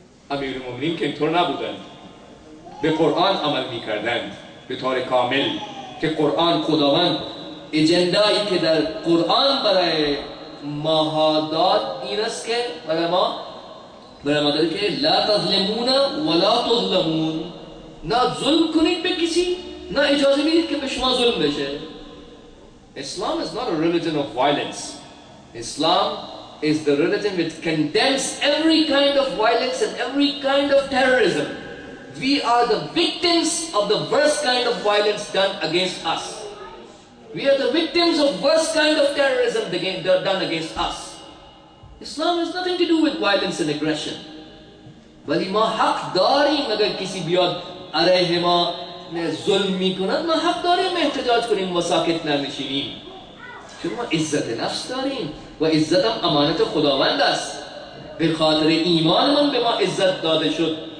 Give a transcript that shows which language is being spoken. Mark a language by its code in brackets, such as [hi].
[fa] امیرالمومنین که اینطور نبودند، به قرآن عمل میکردند به طور کامل، که قرآن خداوند اجندایی که در قرآن برای ماها داد این است که برای ما برای ما داره که [ar] لا تظلمون ولا تظلمون، [fa] نه ظلم کنید به کسی نه اجازه میدید که به شما ظلم بشه. [en] Islam is not a religion of violence. Islam is the religion which condemns every kind of violence and every kind of terrorism. We are the victims of the worst kind of violence done against us. We are the victims of worst kind of terrorism done against us. Islam has nothing to do with violence and aggression. Wali ma haq dari magar kisi biyad arayhima [fa] نه ظلم میکنند، ما حق داریم احتجاج کنیم و ساکت نمیشینیم، چون ما عزت نفس داریم و عزت هم امانت خداوند است، به خاطر ایمان من به ما عزت داده شد.